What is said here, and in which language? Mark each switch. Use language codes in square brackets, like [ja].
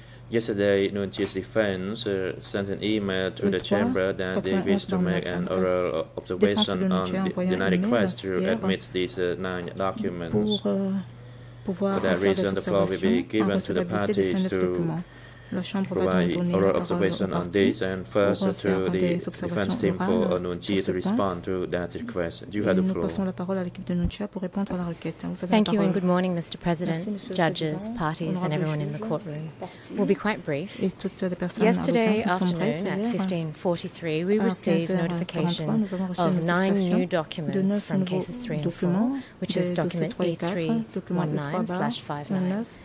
[en] Yesterday, Nunchi's defense sent an email to the chamber that they wish to make an oral observation on the denied request to admit these 9 documents. [fr] Pour [en] for that reason, the floor will be given to the parties to [fr] La Chambre va donc donner la parole aux parties pour faire des observations orales sur ce point. Et nous passons la parole à l'équipe de Nuncia pour répondre à la requête. [en] Thank you and good morning, Mr. President, judges, parties and everyone in the courtroom. We'll be quite brief. Yesterday afternoon at 15:43, we received notification of 9 new documents from cases 3 and 4, which is document E319/59.